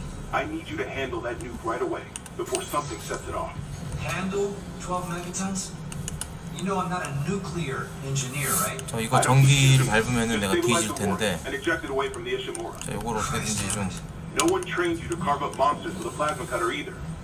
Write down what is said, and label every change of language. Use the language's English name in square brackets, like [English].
[English] I need you to handle that nuke right away before something sets it off. Handle 12 megatons? You know I'm not a nuclear engineer, right? [Korean] 저 이거 전기를 밟으면은 내가 뒤질 텐데. 자, 이걸 어떻게든지 좀. [English] No one trained you to carve up monsters with a plasma cutter either.